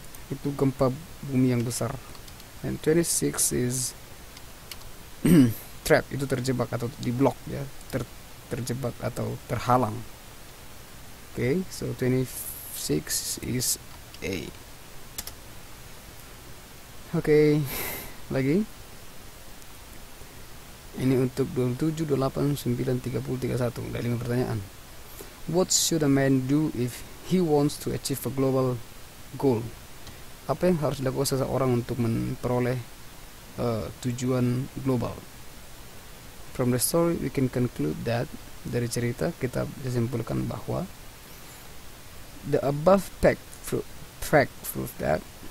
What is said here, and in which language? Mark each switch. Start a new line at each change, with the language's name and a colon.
Indonesian: Itu gempa bumi yang besar.
English: And 26 is trap,
Indonesian: itu terjebak atau diblok ya, terjebak atau terhalang.
English: Okay, so 26 is A.
Indonesian: Okay, lagi. Ini untuk 27, 28, 9, 30, 31, dari 5 pertanyaan.
English: What should a man do if he wants to achieve a global goal?
Indonesian: Apa yang harus dilakukan seseorang untuk memperoleh tujuan global?
English: From the story, we can conclude that
Indonesian: dari cerita kita simpulkan bahwa
English: the above fact prove that